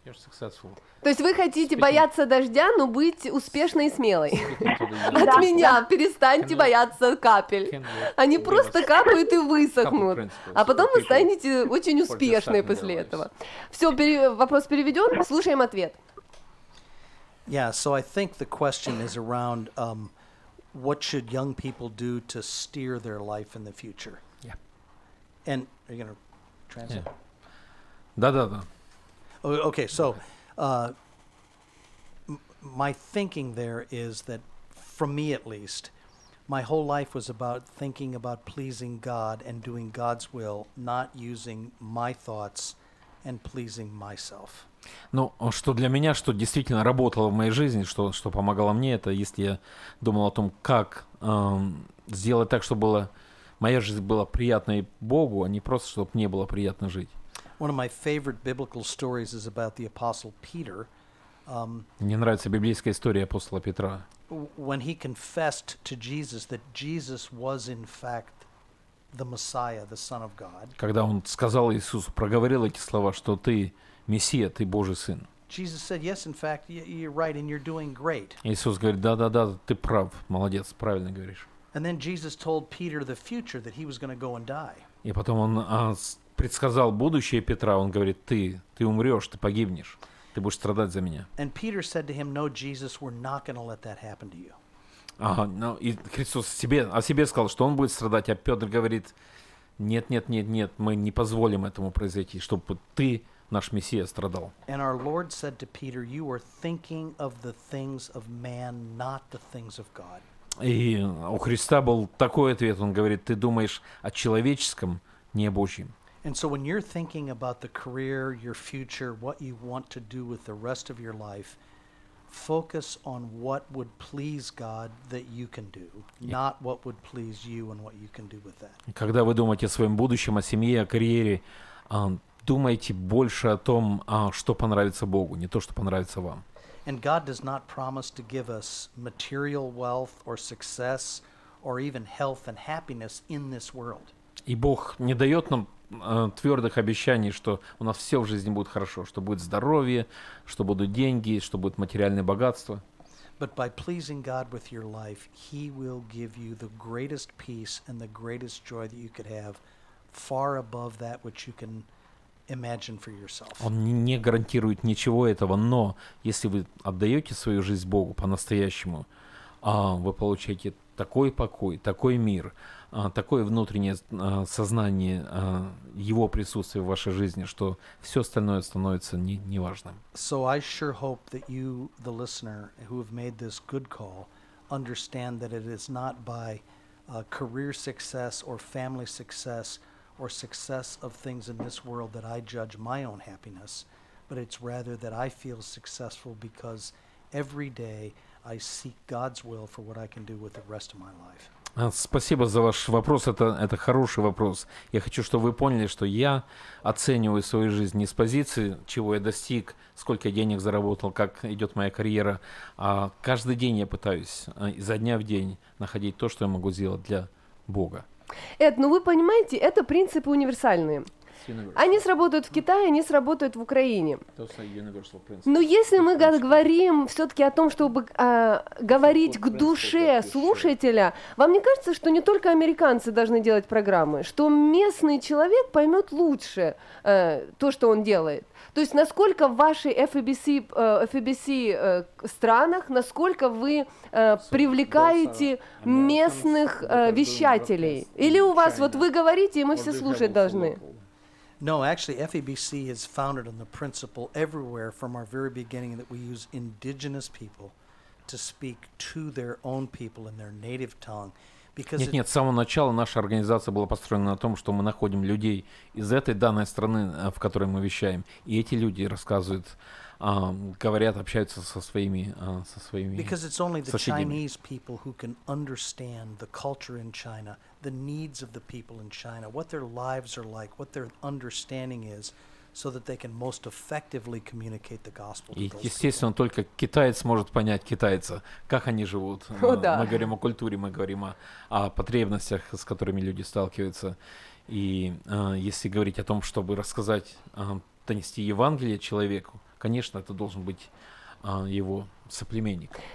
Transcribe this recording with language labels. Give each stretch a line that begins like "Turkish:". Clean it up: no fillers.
Russian: То есть вы хотите
English: speaking.
Russian: Бояться дождя, но быть успешной и смелой? От меня, перестаньте бояться капель. Они просто капают и высохнут. А потом вы станете очень успешной после этого. Все, вопрос переведен, слушаем ответ.
English: Yeah, so I think the question is around what should young people do to steer their life in the future? Yeah. And are you going to translate?
Russian: Да.
English: Okay, so my thinking there is that, from me at least, my whole life was about thinking about pleasing God and doing God's will, not using my thoughts and pleasing myself.
Russian: Ну, что для меня, что действительно работало в моей жизни, что помогало мне, это если я думал о том, как сделать так, чтобы было, моя жизнь была приятной Богу, а не просто, чтобы мне было приятно жить.
English: One of my favorite biblical stories is about the apostle Peter.
Russian: Мне нравится библейская история апостола Петра.
English: When he confessed to Jesus that Jesus was in fact the Messiah, the Son of God.
Russian: Когда он сказал Иисусу, проговорил эти слова, что ты Мессия, ты Божий Сын.
English: Jesus said, yes, in fact, you're right, and you're doing great.
Russian: Иисус говорит, да, ты прав, молодец, правильно говоришь.
English: And then Jesus told Peter the future that he was going to go and die.
Russian: И потом он предсказал будущее Петра, он говорит, ты умрешь, ты погибнешь, ты будешь страдать за меня.
English: And Peter said to him, no, Jesus, we're not going to let that happen to you.
Russian: Ага, ну и Христос о себе сказал, что он будет страдать, а Петр говорит, нет, мы не позволим этому произойти, чтобы ты, наш Мессия, страдал.
English: And our Lord said to Peter, you are thinking of the things of man, not the things of God.
Russian: И у Христа был такой ответ, он говорит, ты думаешь о человеческом, не о Божьем.
English: And so when you're thinking about the career, your future, what you want to do with the rest of your life, focus on what would please God that you can do, not what would please you and what you can do with that.
Russian: Когда вы думаете о своем будущем, о семье, о карьере, думайте больше о том, что понравится Богу, не то, что понравится вам.
English: And God does not promise to give us material wealth or success or even health and happiness in this world.
Russian: И Бог не дает нам твердых обещаний, что у нас все в жизни будет хорошо, что будет здоровье, что будут деньги, что будет материальное богатство.
English: But by pleasing God with your life, He will give you the greatest peace and the greatest joy that you could have, far above that which you can imagine for yourself.
Russian: Он не гарантирует ничего этого, но если вы отдаете свою жизнь Богу по-настоящему, вы получаете такой покой, такой мир, такое внутреннее сознание его присутствия в вашей жизни, что все остальное становится неважным.
English: So I sure hope that you, the listener, who have made this good call, understand that it is not by career success or family success or success of things in this world that I judge my own happiness, but it's rather that I feel successful because every day I seek God's will for what I can do with the rest of my life.
Russian: Спасибо за ваш вопрос. Это хороший вопрос. Я хочу, чтобы вы поняли, что я оцениваю свою жизнь не с позиции, чего я достиг, сколько денег заработал, как идет моя карьера, а каждый день я пытаюсь изо дня в день находить то, что я могу сделать для Бога. Эд, ну вы понимаете, это принципы универсальные. Они сработают в Китае, они сработают в Украине. Но если мы говорим все-таки о том, чтобы говорить к душе слушателя, вам не кажется, что не только американцы должны делать программы, что местный человек поймет лучше то, что он делает? То есть насколько в вашей FABC странах, насколько вы привлекаете местных вещателей? Или у вас, вот вы говорите, и мы все слушать должны?
English: No, actually, FABC is founded on the principle everywhere from our very beginning that we use indigenous people to speak to their own people in their native tongue. Because
Russian: нет, с самого начала наша организация была построена на том, что мы находим людей из этой данной страны, в которой мы вещаем, и эти люди рассказывают, говорят, общаются со своими.
English: Because it's only the Chinese people who can understand the culture in China. The needs of the people in China, what their lives are like, what their understanding is, so that they can most effectively communicate the gospel.
Russian: И естественно, только китаец может понять китайца, как они живут. Мы говорим о культуре, мы говорим о потребностях, с которыми люди сталкиваются. И если говорить о том, чтобы рассказать, донести Евангелие человеку, конечно, это должен быть его соплеменник.